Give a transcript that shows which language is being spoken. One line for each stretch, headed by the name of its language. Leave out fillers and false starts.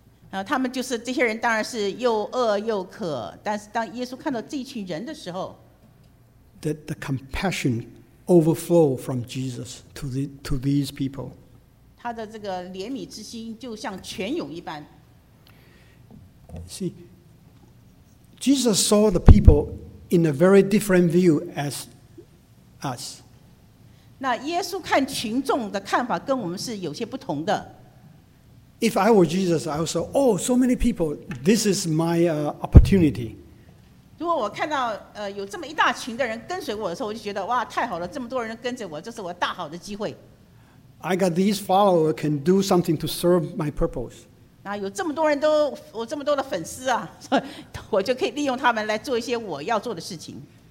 Chinese: 然后他们就是这些人，当然是又饿又渴。但是当耶稣看到这群人的时候
English: ，that the compassion overflowed from Jesus to these people.
Chinese: 他的这个怜悯之心就像泉涌一般。
English: See, Jesus saw the people in a very different view as us.
Chinese: 那耶稣看群众的看法跟我们是有些不同的。
English: If I were Jesus, I would say, "Oh, so many people. This is my opportunity."
Chinese: 如果我看到有这么一大群的人跟随我的时候，我就觉得哇，太好了，这么多人跟着我，这是我大好的机会。
English: I got these followers can do something to serve my purpose.
Chinese: 那有这么多人都我这么多的粉丝啊，我就可以利用他们来做一些我要做的事情。